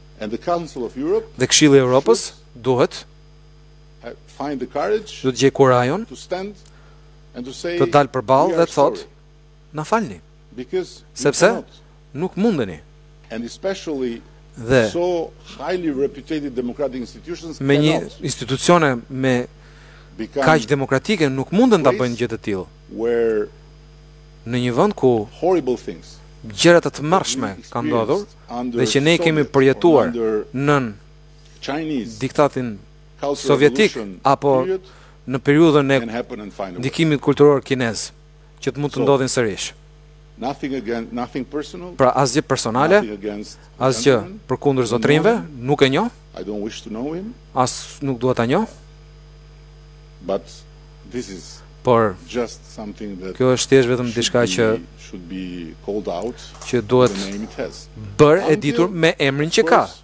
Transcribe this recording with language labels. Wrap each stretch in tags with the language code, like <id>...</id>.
<sq>Dhe Këshilli i Evropës duhet</sq> <en>find the courage</en> <sq>do të gjej kurajon</sq> <en>to stand and to say</en> <sq>të dal përballë dhe thot na falni</sq> <en>because</en> <sq>sepse nuk mundeni</sq> <en>and especially</en> <sq>dhe</sq> <en>so highly reputed democratic institutions</en> <sq>me një institucione me kaq demokratike nuk munden ta bëjnë gjë të tillë</sq> <en>where</en> <sq>në një vend ku</sq> <en>horrible things</en> <sq>gjërat të mërshme kanë ndodhur dhe që ne kemi përjetuar nën</sq> <en>Chinese</en> <sq>diktatin sovjetik apo në periudhën e ndikimit kulturor kinez që të mund të ndodhin sërish.</sq> <en>Nothing against, nothing personal.</en> <sq>Pra asgjë personale, asgjë përkundër zotrinve, nuk e njoh.</sq> <en>I don't wish to know him.</en> <sq>As nuk dua ta njoh.</sq> <en>But this is just something that</en> <sq>kjo është thjesht vetëm diçka që</sq> <en>should be called out.</en> <sq>Që duhet bër e ditur me emrin që ka.</sq>